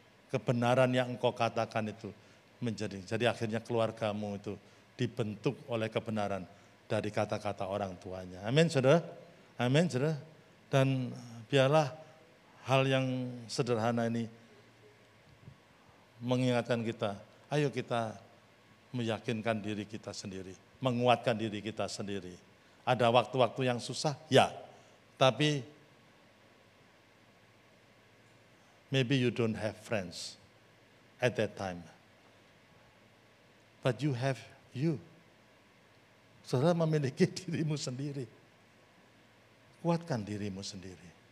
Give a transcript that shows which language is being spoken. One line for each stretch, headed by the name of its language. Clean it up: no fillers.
Indonesian: Kebenaran yang engkau katakan itu. Jadi akhirnya keluargamu itu dibentuk oleh kebenaran dari kata-kata orang tuanya. Amin, saudara. Amin, saudara. Dan biarlah hal yang sederhana ini mengingatkan kita, ayo kita meyakinkan diri kita sendiri, menguatkan diri kita sendiri. Ada waktu-waktu yang susah? Ya.
English: Tapi maybe you don't have friends at that time. But you have you.
Indonesian: Saudara memiliki dirimu sendiri. Kuatkan dirimu sendiri.